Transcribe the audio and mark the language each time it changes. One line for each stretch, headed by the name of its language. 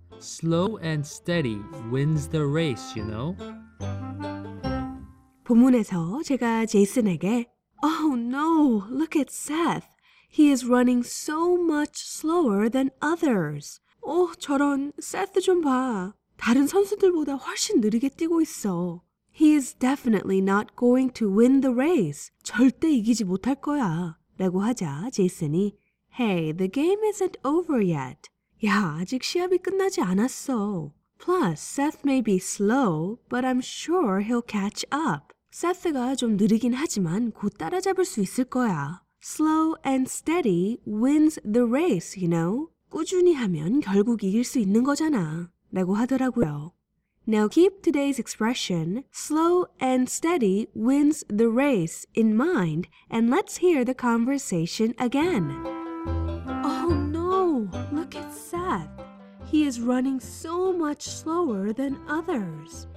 English: Slow and steady wins the race, you know?
Korean: 본문에서 제가 제이슨에게
English: Oh no, look at Seth. He is running so much slower than others.
Korean: 오, 저런, 세트 좀 봐. 다른 선수들보다 훨씬 느리게 뛰고 있어.
English: He is definitely not going to win the race.
Korean: 절대 이기지 못할 거야. 라고 하자 제이슨이
English: Hey, the game isn't over yet.
Korean: 야, 아직 시합이 끝나지 않았어.
English: Plus, Seth may be slow, but I'm sure he'll catch up.
Korean: 세트가 좀 느리긴 하지만 곧 따라잡을 수 있을 거야.
English: Slow and steady wins the race, you know?
Korean: 꾸준히 하면 결국 이길 수 있는 거잖아. 라고 하더라고요.
English: Now keep today's expression, slow and steady wins the race, in mind, and let's hear the conversation again. Oh no! Look at Seth. He is running so much slower than others.